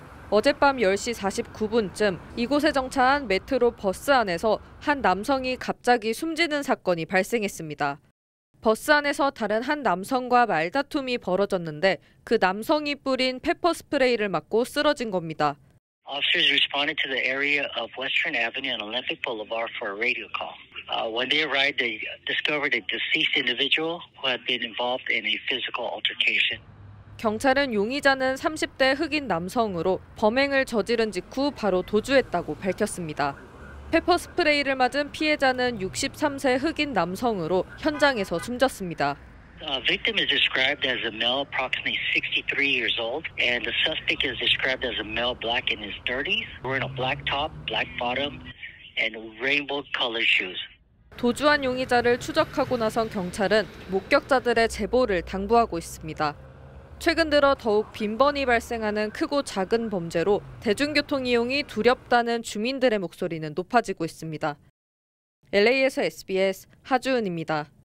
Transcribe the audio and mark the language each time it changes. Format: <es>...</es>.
<ko>어젯밤 10시 49분쯤 이곳에 정차한 메트로 버스 안에서 한 남성이 갑자기 숨지는 사건이 발생했습니다. 버스 안에서 다른 한 남성과 말다툼이 벌어졌는데 그 남성이 뿌린 페퍼스프레이를 맞고 쓰러진 겁니다.</ko> <en>Officers responded to the area of Western Avenue and Olympic Boulevard for a radio call. When they arrived, they discovered a deceased individual who had been involved in a physical altercation.</en> <ko>경찰은 용의자는 30대 흑인 남성으로 범행을 저지른 직후 바로 도주했다고 밝혔습니다. 페퍼스프레이를 맞은 피해자는 63세 흑인 남성으로 현장에서 숨졌습니다.</ko> <en>Victim is described as a male approximately 63 years old and the suspect is described as a male black in his 30s wearing a black top, black bottom and rainbow color shoes.</en> <ko>도주한 용의자를 추적하고 나선 경찰은 목격자들의 제보를 당부하고 있습니다. 최근 들어 더욱 빈번히 발생하는 크고 작은 범죄로 대중교통 이용이 두렵다는 주민들의 목소리는 높아지고 있습니다. LA에서 SBS 하주은입니다.</ko>